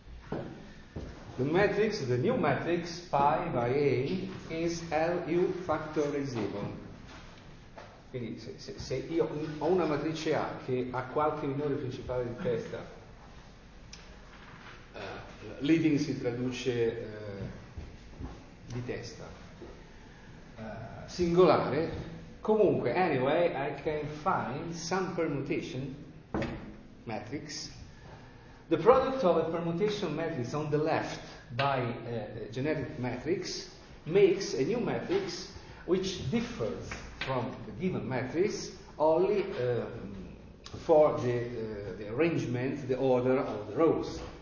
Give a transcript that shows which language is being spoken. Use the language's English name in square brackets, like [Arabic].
[English] The matrix, the new matrix, pi by A, is LU factorizable. [Italian] Quindi se io ho una matrice A che ha qualche minore principale di testa, leading si traduce di testa, singolare, comunque, [English] anyway, I can find some permutation matrix. The product of a permutation matrix on the left by a generic matrix makes a new matrix which differs from the given matrix only for the arrangement, the order of the rows.